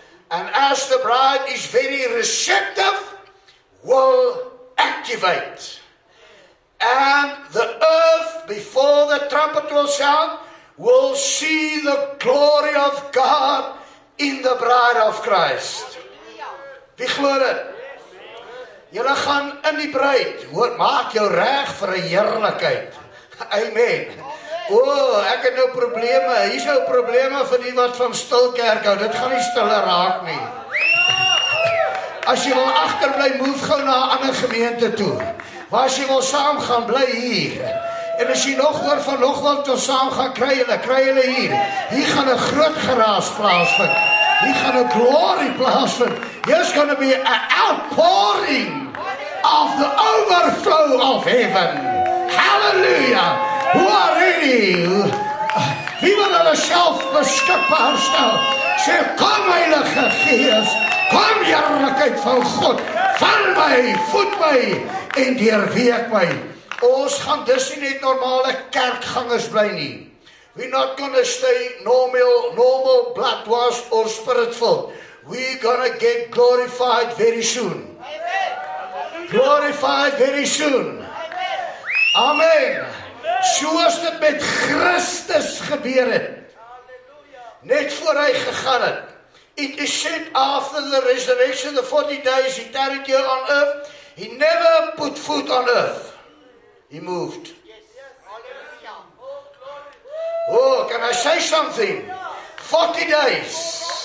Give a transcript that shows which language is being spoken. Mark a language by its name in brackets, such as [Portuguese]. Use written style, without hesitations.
[English] And as the bride is very receptive, will activate. And the earth, before the trumpet will sound, will see the glory of God in the bride of Christ. [Afrikaans] Wie glo dit? Julle gaan in die bruid. Hoor, maak jou reg vir 'n heerlikheid. Amen. O, ek het nou probleme. Hier's nou probleme vir die wat van stil kerk hou. Dit gaan nie stiller raak nie. As jy wil agterbly, move gou na 'n ander gemeente toe. Maar as jy wil saam gaan, bly hier. En as jy nog hoor van nog wat ons saam gaan kry, hulle kry hulle hier. Hier gaan 'n groot geraas plaasvind. Hier gaan 'n glory plaasvind. [English] There's going to be an outpouring of the overflow of heaven. [Afrikaans] Hallelujah. [English] Who are you? [Afrikaans] Wie wil hulle self beskikbaar stel? Sê, kom Heilige Gees, kom heerlikheid van God, vul my, voed my en deurweek my. Ons gaan dus nie net normale kerkgangers bly nie. [English] We're not going to stay normal bloodwashed or spirit-filled. We're going to get glorified very soon. Amen. Glorified very soon. Amen. Amen. [Afrikaans] Soos dit met Christus gebeur het. Halleluja. Net voor hy gegaan het. [English] It is said after the resurrection, the 40 days he tarried here on earth, he never put foot on earth. He moved. Yes. Halleluja. Oh, can I say something? 40 days.